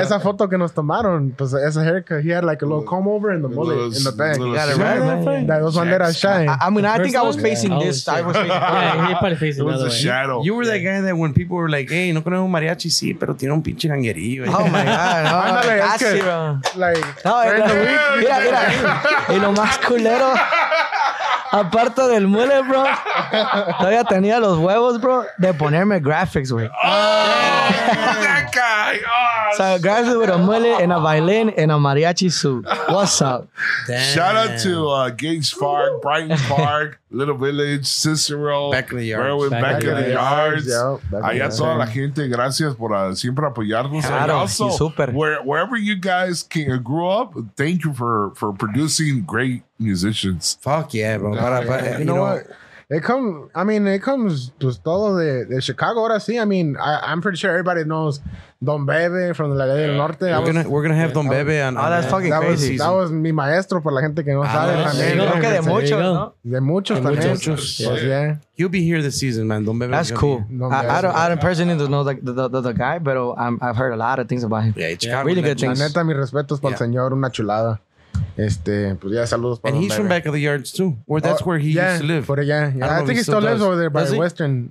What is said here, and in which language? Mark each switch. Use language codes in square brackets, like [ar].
[en] Esa foto que nos tomaron, pues esa haircut, he had like a little comb over in the mullet, in the back. That was Banderas shine. I mean, I think I was facing this. I was facing it was a shadow. You were that guy that when people were like, hey, no conozco mariachi, sí, pero tiene un pinche ganguerillo. Oh, my God. I'm like, that's it, bro. Mira. [es] Y lo más culero, aparte del mule, bro, todavía tenía los huevos, bro, de ponerme graphics, güey. [en] Oh, that guy. So a guy with a mullet and a violin and a mariachi suit. What's up? Damn. Shout out to Gage Park, Brighton Park, Little Village, Cicero. Back in the yards. [es] Berwin, back in the yards. Allá toda la gente. Gracias por siempre apoyarnos. Claro, also, super. [en] Wherever you guys grew up, thank you for producing great musicians. Fuck yeah, bro. You know what? It comes pues todo de Chicago, ahora sí. I mean, I'm pretty sure everybody knows Don Bebe from La Ley del Norte. We're gonna have Don Bebe on. Oh, that's fucking crazy. [es] That was mi maestro, por la gente que no sabe. También. Creo que de muchos. Pues, yeah. [en] You'll be here this season, man. Don Bebe. That's cool. I don't personally don't know the guy, but I've heard a lot of things about him. Yeah, Chicago. Really good things. [es] La neta, mis respetos para el señor, una chulada. Pues ya, saludos para [en] and he's Bebe. From back of the yards too. Or that's where he used to live. Yeah, I think he still lives over there by the Western.